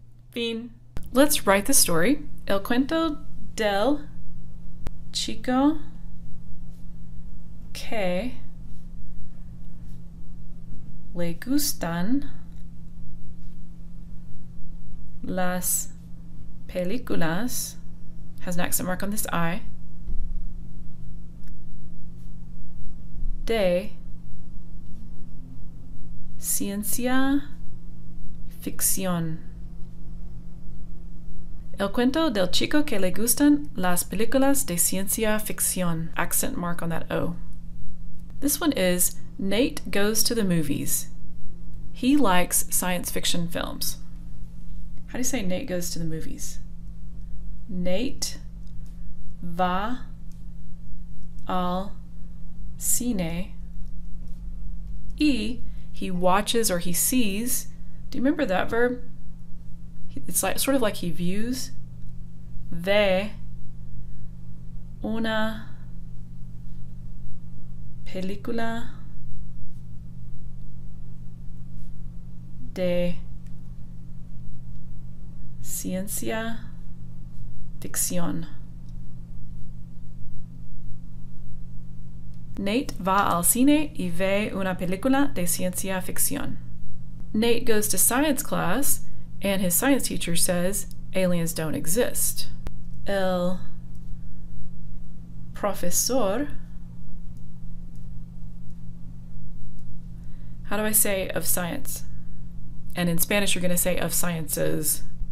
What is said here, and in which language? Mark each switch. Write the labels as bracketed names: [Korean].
[Spanish] Fin. [English] Let's write the story. [Spanish] El cuento del chico que le gustan las películas [English] has an accent mark on this I [Spanish] de ciencia ficción. El cuento del chico que le gustan las películas de ciencia ficción. [English] Accent mark on that O. This one is Nate goes to the movies. He likes science fiction films. How do you say Nate goes to the movies? [Spanish] Nate va al cine y [English] he watches or he sees. Do you remember that verb? It's like sort of like he views. [Spanish] Ve una película de ciencia ficción. Nate va al cine y ve una película de ciencia ficción. [English] Nate goes to science class and his science teacher says aliens don't exist. [Spanish] El profesor. [English] How do I say of science? And in Spanish, you're going to say of sciences.